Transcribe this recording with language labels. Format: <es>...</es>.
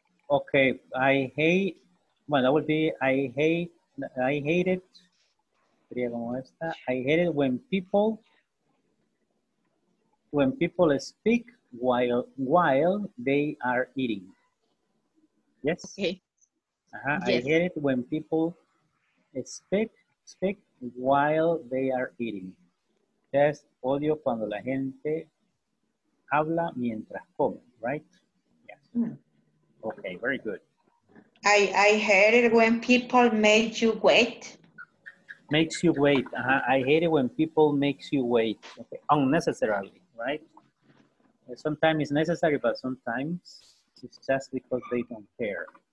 <en>Okay, I hate, well, that would be, I hate it when people speak while they are eating. Yes? Okay. Uh-huh. Yes. I hate it when people speak while they are eating.</en> <es>Yes, odio cuando la gente habla mientras come, right?</es> <en>Yes. Mm. Okay, very good. I hate it when people make you wait. Makes you wait. Uh-huh. I hate it when people makes you wait. Okay. Unnecessarily, right? Sometimes it's necessary, but sometimes it's just because they don't care.</en>